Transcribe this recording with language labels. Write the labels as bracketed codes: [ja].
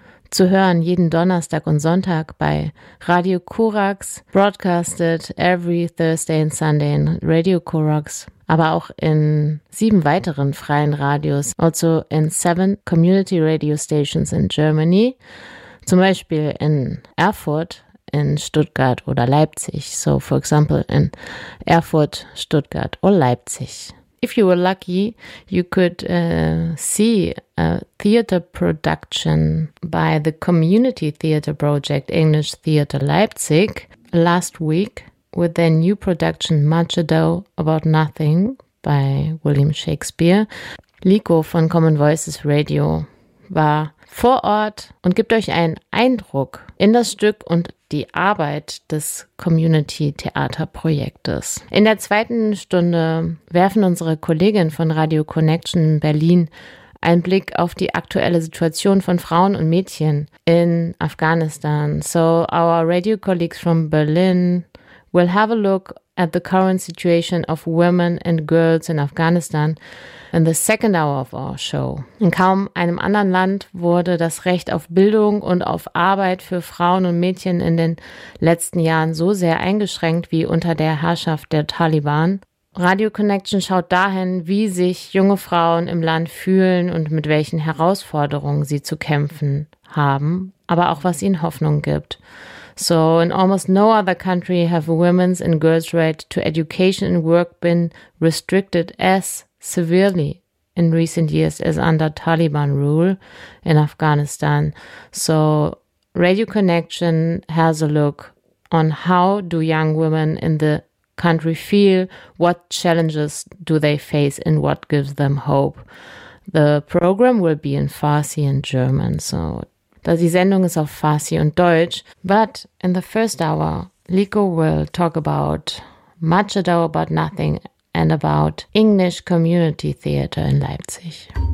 [de] Zu hören jeden Donnerstag und Sonntag bei Radio Korax, [en] broadcasted every Thursday and Sunday in Radio Korax, [de] aber auch in 7 weiteren freien Radios, also in [en] 7 Community Radio Stations in Germany, [de] zum Beispiel in Erfurt, in Stuttgart oder Leipzig. [en] So, for example, in Erfurt, Stuttgart or Leipzig. If you were lucky, you could see a theater production by the Community Theater Project English Theater Leipzig last week with their new production Much Ado About Nothing by William Shakespeare. [de] Liko von Common Voices Radio war vor Ort und gibt euch einen Eindruck in das Stück und die Arbeit des Community-Theater-Projektes. In der 2. Stunde werfen unsere Kollegin von Radio Connection Berlin einen Blick auf die aktuelle Situation von Frauen und Mädchen in Afghanistan. [en] So our radio colleagues from Berlin will have a look at the current situation of women and girls in Afghanistan in the 2nd hour of our show. [de] In kaum einem anderen Land wurde das Recht auf Bildung und auf Arbeit für Frauen und Mädchen in den letzten Jahren so sehr eingeschränkt wie unter der Herrschaft der Taliban. Radio Connection schaut dahin, wie sich junge Frauen im Land fühlen und mit welchen Herausforderungen sie zu kämpfen haben, aber auch was ihnen Hoffnung gibt. [en] So, in almost no other country have women's and girls' right to education and work been restricted as severely in recent years as under Taliban rule in Afghanistan. So, Radio Connection has a look on how do young women in the country feel, what challenges do they face, and what gives them hope. The program will be in Farsi and German, [de] so die Sendung ist auf Farsi und Deutsch. [en] But in the 1st hour, Liko will talk about Much Ado About Nothing and about English Community Theater in Leipzig.